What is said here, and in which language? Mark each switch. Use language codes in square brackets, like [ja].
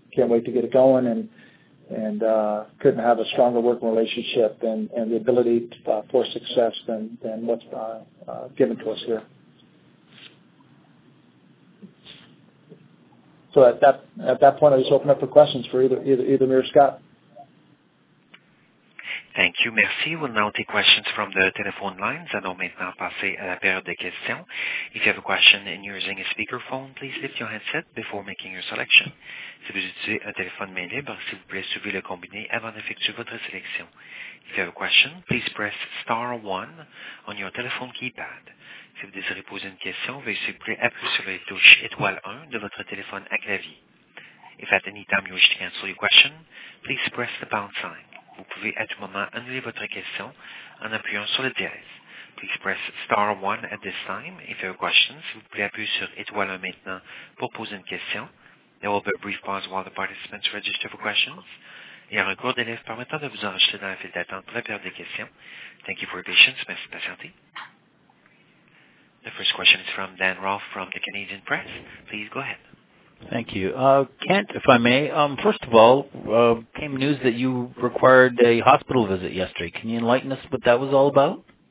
[en] Can't wait to get it going, and couldn't have a stronger working relationship and the ability to, for success than what's given to us here. So at that point, I just open up for questions for either me or Scott. Thank you. Merci. We'll now take questions from the telephone lines. [fr] Allons maintenant passer à la période des questions. [en] If you have a question and you're using a speakerphone, please lift your handset before making your selection. [fr] Si vous utilisez un téléphone main libre, s'il vous plaît, suivez le combiné avant d'effectuer votre sélection. [en] If you have a question, please press star 1 on your telephone keypad. [fr] Si vous désirez poser une question, veuillez s'il vous plaît appuyer sur la touche étoile 1 de votre téléphone à clavier. [en] If at any time you wish to cancel your question, please press the pound sign. [fr] Vous pouvez à tout moment annuler votre question en appuyant sur le dièse. [en] Please press star 1 at this time if you have a question. [fr] S'il vous plaît, appuyez sur étoile 1 maintenant pour poser une question. [en] There will be a brief pause while the participants register for questions. [fr] Il y a un cours d'élèves permettant de vous enregistrer dans la file d'attente pour la période des questions. [en] Thank you for your patience. [fr] Merci de patienter. [en] The first question is from Dan Rolfe from the Canadian Press. Please go ahead. Thank you. Kent, if I may, first of all, came news that you required a hospital visit yesterday. Can you enlighten us what that was all about?